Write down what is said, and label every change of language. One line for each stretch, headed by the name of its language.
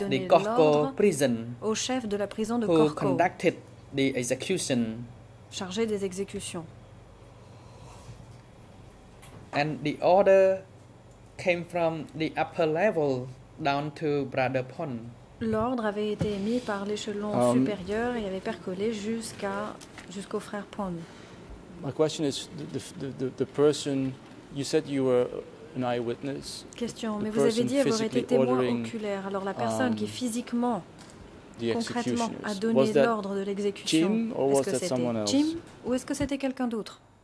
French: donné
English: the Corcor prison,
French: au chef de la prison de
English: who
French: Corcor,
English: conducted the execution.
French: Chargé des exécutions.
English: And the order came from the upper level down to Brother Pond.
French: L'ordre avait été émis par l'échelon supérieur et avait percolé jusqu'au frère Pond.
English: My question is the person you said you were an eyewitness.
French: Question, mais vous avez dit avoir été témoin oculaire. Alors la personne qui physiquement concrètement a donné l'ordre de l'exécution, est-ce que c'était Jim ou est-ce que c'était quelqu'un d'autre?